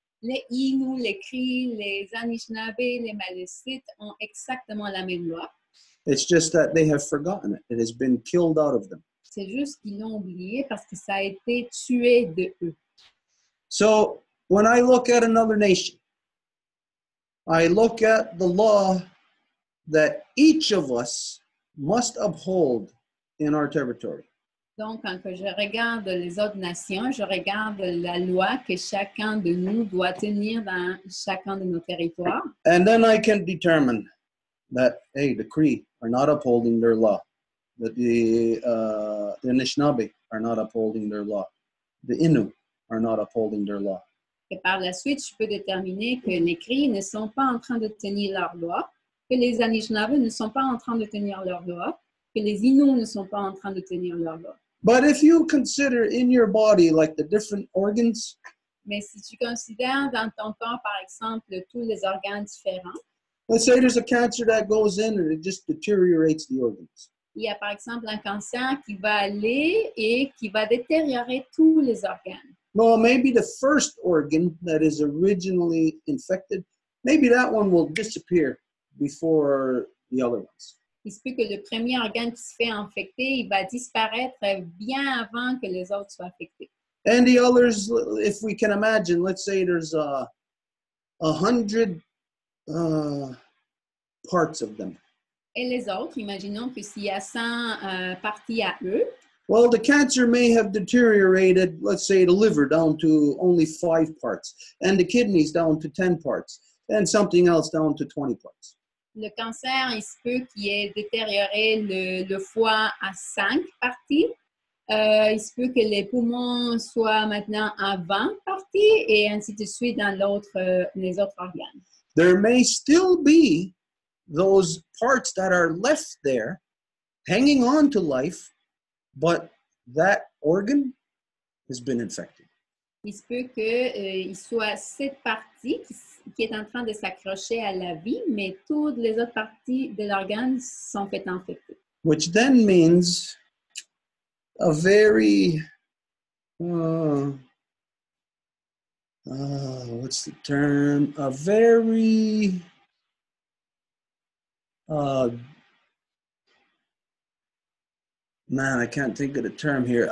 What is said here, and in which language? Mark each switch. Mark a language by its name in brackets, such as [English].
[French] Les Innu, les Cris, les Anishinaabe, les Maliseet ont exactement la même loi. [English] It's just that they have forgotten it. It has been killed out of them. [French] C'est juste qu'ils l'ont oublié parce que ça a été tué de eux. [English] So, when I look at another nation, I look at the law that each of us must uphold in our territory. [French] Donc, quand je regarde les autres nations, je regarde la loi que chacun de nous doit tenir dans chacun de nos territoires. [English] And then I can determine that, hey, the Cree are not upholding their law. That the Anishinaabe are not upholding their law. The Innu are not upholding their law. [French] Et par la suite, je peux déterminer que les Cree ne sont pas en train de tenir leur loi, que les Anishinaabe ne sont pas en train de tenir leur loi, que les Innu ne sont pas en train de tenir leur loi. [English] But if you consider in your body like the different organs, [French] mais si tu considères dans ton corps, par exemple, tous les organes différents, [English] let's say there's a cancer that goes in and it just deteriorates the organs. [French] Il y a par exemple un cancer qui va aller et qui va détériorer tous les organes. [English] Well, maybe the first organ that is originally infected, maybe that one will disappear before the other ones. [French] Il se peut que le premier organe qui se fait infecter, il va disparaître bien avant que les autres soient infectés. [English] And the others, if we can imagine, let's say there's a hundred parts of them. [French] Et les autres, imaginons que s'il y a 100 parties à eux. [English] Well, the cancer may have deteriorated, let's say, the liver down to only 5 parts, and the kidneys down to 10 parts, and something else down to 20 parts. [French] Le cancer, il se peut qu'il ait détérioré le foie à 5 parties. Il se peut que les poumons soient maintenant à 20 parties, et ainsi de suite dans l'autre, les autres organes. [English] There may still be those parts that are left there, hanging on to life, but that organ has been infected. [French] Il se peut que il soit cette partie qui est en train de s'accrocher à la vie, mais toutes les autres parties de l'organe sont faites infectées. [English] Which then means a very what's the term? A very man, I can't think of the term here.